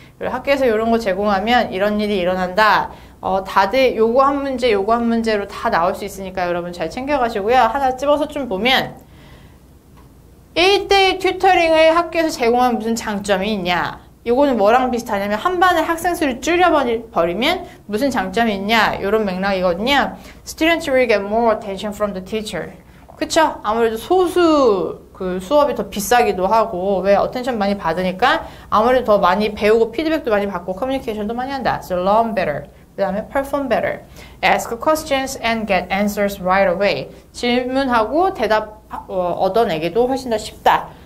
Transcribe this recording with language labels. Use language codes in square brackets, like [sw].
[ko] 그리고 학교에서 이런 거 제공하면 이런 일이 일어난다. 다들 요거 한 문제, 요거 한 문제로 다 나올 수 있으니까 여러분 잘 챙겨가시고요. 하나 집어서 좀 보면 1대1 튜터링을 학교에서 제공하면 무슨 장점이 있냐. 요거는 뭐랑 비슷하냐면 한 반에 학생 수를 줄여버리면 무슨 장점이 있냐. 요런 맥락이거든요. [en] Students will get more attention from the teacher. [ko] 그쵸? 아무래도 소수 그 수업이 더 비싸기도 하고 왜? 어텐션 많이 받으니까 아무래도 더 많이 배우고 피드백도 많이 받고 커뮤니케이션도 많이 한다. [en] So learn better. [ko] 그 다음에 [en] perform better. Ask questions and get answers right away. [ko] 질문하고 대답 얻어내기도 훨씬 더 쉽다.